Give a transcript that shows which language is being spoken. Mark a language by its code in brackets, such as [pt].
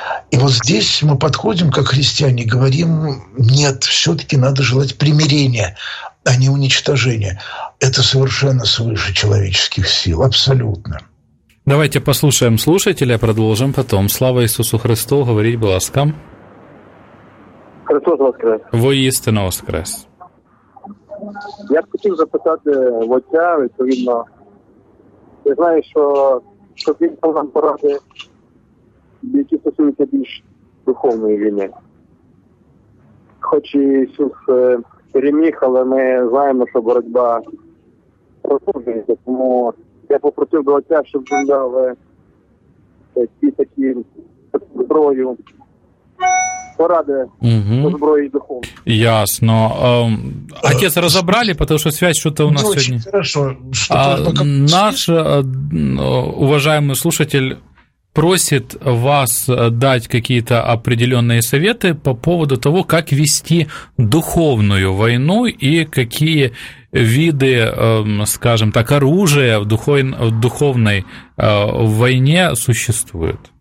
[ru] И вот здесь мы подходим, как христиане, говорим, нет, все-таки надо желать примирения, а не уничтожение. Это совершенно свыше человеческих сил, абсолютно. Давайте послушаем слушателя, продолжим потом. Слава Иисусу Христу, говорите, пожалуйста. Христос воскрес. Воистину воскрес. [uk] Я хотел запитати в отця, відповідно. Я знаю, [ru] что [uk] щоб він дав нам поради, які стосуються більш духовної війни. Хоч Ісус переміг, але ми знаємо, що боротьба продовжується, тому я попросив до отця, щоб він дав ті такі зброю, поради зброї духовної. Ясно. А те розібрали, тому що связь щось у нас сьогодні. Дуже добре. [ru] Наш уважаемый слушатель просит вас дать какие-то определенные советы по поводу того, как вести духовную войну и какие виды, скажем так, оружия в духовной войне существуют.